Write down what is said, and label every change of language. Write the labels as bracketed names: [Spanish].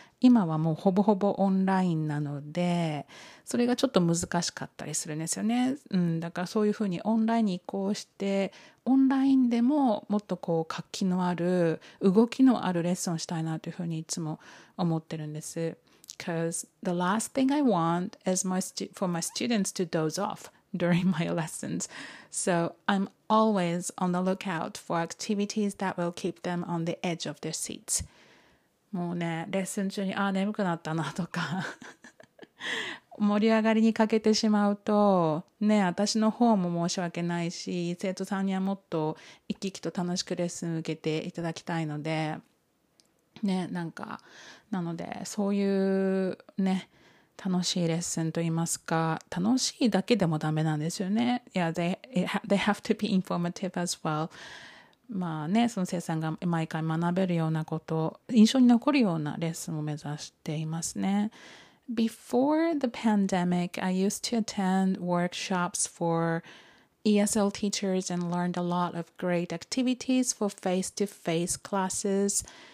[Japanese] 今はもうほぼほぼオンラインなので、それがちょっと難しかったりするんですよね、うん、だからそういうふうにオンラインに移行して、オンラインでももっとこう活気のある動きのあるレッスンをしたいなというふうにいつも思ってるんです。 [English] Because the last thing I want is for my students to doze off during my lessons. So I'm always on the lookout for activities that will keep them on the edge of their seats. [Japanese] もうね、レッスン中にあ眠くなったなとか盛り上がりに欠けてしまうとね、私の方も申し訳ないし、生徒さんにはもっと生き生きと楽しくレッスンを受けていただきたいのでね、なんかなのでそういうね楽しいレッスンと言いますか、楽しいだけでもダメなんですよね。 [English] Yeah, they have to be informative as well. [Japanese] まあね、その生産が毎回学べるようなこと、印象に残るようなレッスンを目指していますね。 [English] Before the pandemic, I used to attend workshops for ESL teachers and learned a lot of great activities for face-to-face classes.